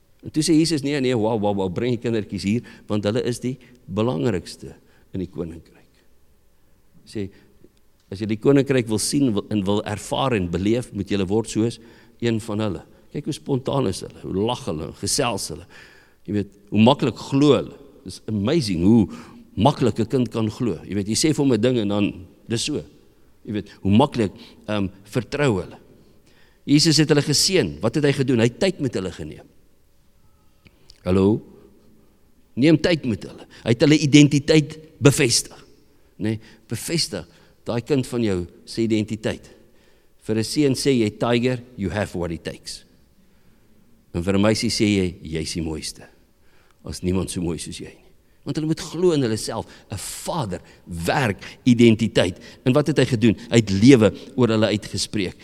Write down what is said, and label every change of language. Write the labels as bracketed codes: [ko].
[af] En toe sê Jesus, nee, bring die kindertjies hier, want hulle is die belangrikste in die koninkryk. Sê, as jy die koninkryk wil sien en wil ervaar en beleef, moet jy word soos een van hulle. Kyk hoe spontaan is hulle, hoe lach hulle, hoe gesels hulle. Jy weet, hoe makkelijk glo hulle. Dis amazing hoe makkelijk een kind kan glo. Jy weet, jy sê vir my ding en dan, dis so. Jy weet, hoe makkelijk vertrou hulle. Jesus het hulle geseën. Wat het hy gedoen? Hy het tyd met hulle geneem. Hallo? Neem tyd met hulle. Hy het hulle identiteit bevestig. Nee, bevestig, die kind van jou sy identiteit. Vir een seun sê jy, [en] tiger, you have what it takes. [af] En vir een meisie sê jy, jy is die mooiste. As niemand so mooi soos jy nie. Want hulle moet glo in hulle self, een vader, werk, identiteit. En wat het hy gedoen? Hy het lewe oor hulle uitgespreek.